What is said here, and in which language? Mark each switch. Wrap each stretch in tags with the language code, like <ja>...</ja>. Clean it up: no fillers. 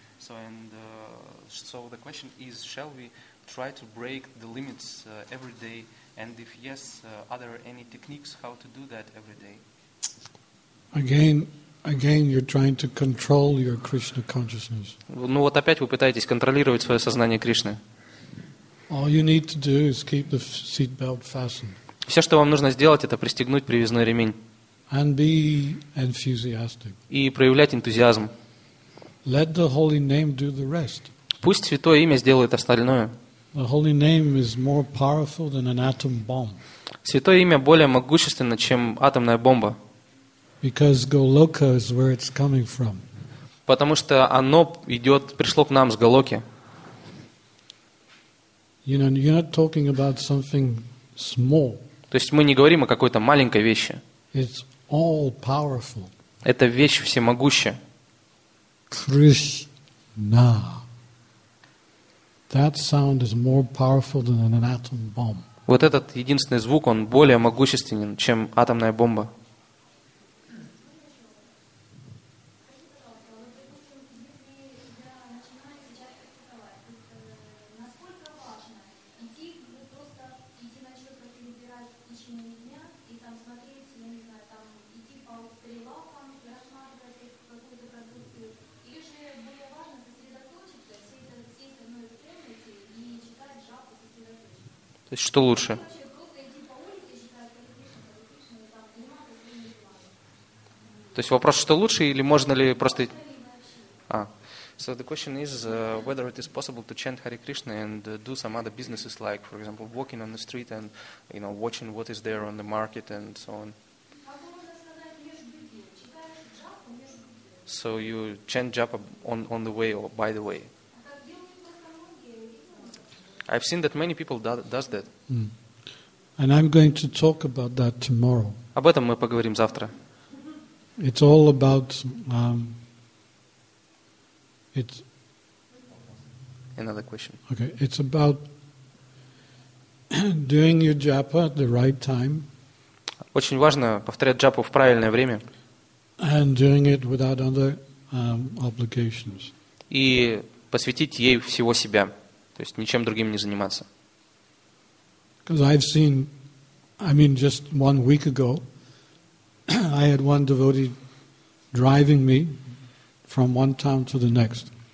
<en>So the question is, shall we try to break the limits every day? And if yes, are there any techniques how to do that every day? Again, you're trying to control your Krishna consciousness.</en> <ru>Ну вот опять вы пытаетесь контролировать свое сознание Кришны.</ru> <en>All you need to do is keep the seat belt fastened.</en> <ru>Все, что вам нужно сделать, это пристегнуть привязной ремень.</ru> <en>And be enthusiastic.</en> <ru>И проявлять энтузиазм.</ru> <en>Let the holy name do the rest.</en> <ru>Пусть святое имя сделает остальное.</ru> <en>The holy name is more powerful than an atom bomb.</en> <ru>Святое имя более могущественно, чем атомная бомба.</ru> <en>Because Goloka is where it's coming from.</en> <ru>Потому что оно идет, пришло к нам с Голоки.</ru> <en>You know, you're not talking about something small.</en> <ru>То есть мы не говорим о какой-то маленькой вещи.</ru> <en>It's all powerful.</en> <ru>Это вещь всемогущая.</ru> <en>Krishna. That sound is more powerful than an atom bomb.</en> <ru>Вот этот единственный звук, он более могущественен, чем атомная бомба. То есть что лучше? То есть вопрос, что лучше, или можно ли просто?</ru> <en>So the question is whether it is possible to chant Hare Krishna and do some other businesses, like, for example, walking on the street and, you know, watching what is there on the market and so on. So you chant japa on the way or by the way. I've seen that many people does that. Mm. And I'm going to talk about that tomorrow.</en> <ru>Об этом мы поговорим завтра.</ru> <en>It's all about it's another question. Okay, it's about doing your japa at the right time.</en> <ru>Очень важно повторять джапу в правильное время.</ru> <en>And doing it without other obligations.</en> <ru>И посвятить ей всего себя, то есть ничем другим не заниматься.</ru> <en>Because I've seen, I mean, just one week ago, I had one devotee driving me from one town to the next.</en>